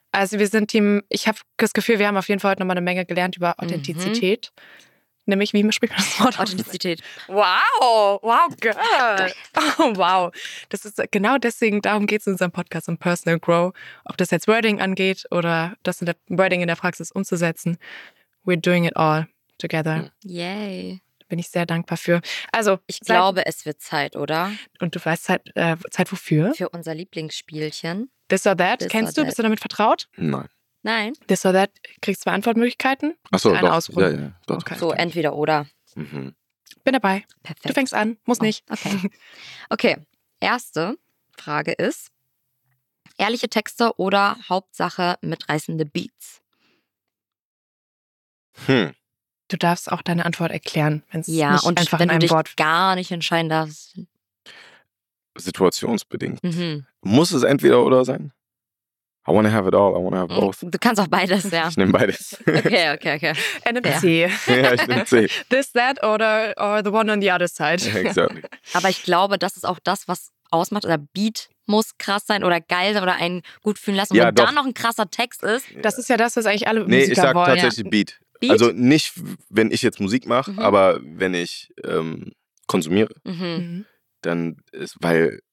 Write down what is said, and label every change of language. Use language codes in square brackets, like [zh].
[de] Also wir sind Team, ich habe das Gefühl, wir haben auf jeden Fall heute nochmal eine Menge gelernt über Authentizität. Mhm. Nämlich, wie spricht man das Wort? Authentizität. [en] Wow, girl. Oh, wow. [de] Das ist genau deswegen, darum geht es in unserem Podcast, um Personal Grow. Ob das jetzt Wording angeht oder das in der Wording in der Praxis umzusetzen. [en] We're doing it all together. Yay. [de] Bin ich sehr dankbar für. Also, ich glaube, es wird Zeit, oder? Und du weißt Zeit wofür? Für unser Lieblingsspielchen. This or That, This kennst or du? That. Bist du damit vertraut? Nein. This or That, kriegst zwei Antwortmöglichkeiten. Achso, doch. Ausrufe. Ja, doch. Okay. So, entweder oder. Mhm. Bin dabei. Perfekt. Du fängst an, muss nicht. Okay. Okay, erste Frage ist, ehrliche Texte oder Hauptsache mitreißende Beats? Du darfst auch deine Antwort erklären, wenn es ja, nicht einfach in einem Wort... Ja, und wenn du dich gar nicht entscheiden darfst. Situationsbedingt. Mhm. Muss es entweder oder sein? [en] I want to have it all, I want to have both. [de] Du kannst auch beides, ja. Ich nehme beides. Okay. Ende C. Ja, ich nehme C. [en] This, that or the one on the other side. [de] Ja, [en] exactly. [de] Aber ich glaube, das ist auch das, was ausmacht. Der Beat muss krass sein oder geil sein oder einen gut fühlen lassen. Ja, und wenn da noch ein krasser Text ist. Das ist ja das, was eigentlich alle Musiker wollen. Nee, ich sage tatsächlich Beat. Beat. Also nicht, wenn ich jetzt Musik mache, aber wenn ich konsumiere, dann ist, weil...